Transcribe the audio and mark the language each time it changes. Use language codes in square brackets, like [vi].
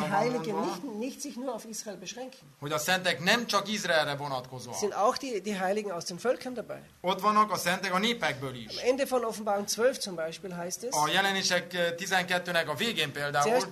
[de] Heiligen nicht sich nur auf Israel beschränken. [hu] Hogy a szentek nem csak Izraelre vonatkozva. [de] Sind auch die Heiligen aus den Völkern dabei. [hu] Ott vannak a szentek a népekből is. [de] Am Ende von Offenbarung 12 zum Beispiel heißt es. [hu] A jelenések 12-nek a végén például.